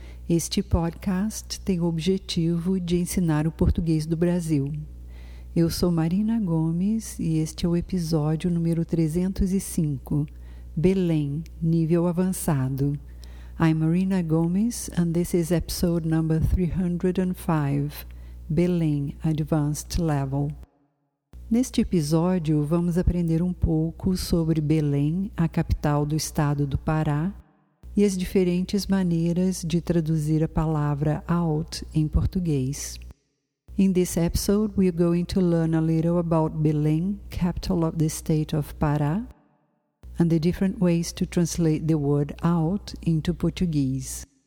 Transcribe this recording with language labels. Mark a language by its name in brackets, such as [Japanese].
[Portuguese] Este podcast tem o objetivo de ensinar o português do Brasil. Eu sou Marina Gomes e este é o episódio número 305, Belém, nível avançado. [English] I'm Marina Gomes and this is episode number 305, Belém, Advanced Level. [Portuguese] Neste episódio, vamos aprender um pouco sobre Belém, a capital do estado do Pará, e as diferentes maneiras de traduzir a palavra out em português. [English] In this episode, we are going to learn a little about Belém, capital of the state of Pará, and the different ways to translate the word out into Portuguese.